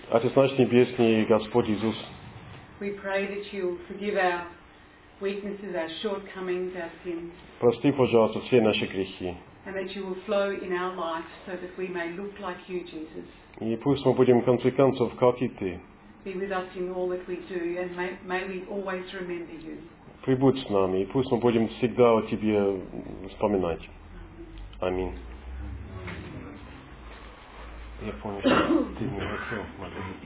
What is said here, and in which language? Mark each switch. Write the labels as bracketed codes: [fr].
[ru] Отец наш небесный Господь Иисус. [en] We pray that you forgive our weaknesses, our shortcomings, our sins. [ru] Прости, пожалуйста, все наши грехи. [en] And that you will flow in our life so that we may look like you, Jesus. [ru] И пусть мы будем в конце концов как и ты. [en] Be with us in all that we do, and may we always remember you. [ru] Прибудь с нами, и пусть мы будем всегда о тебе вспоминать. Аминь. Я помню, что ты не хотел молиться.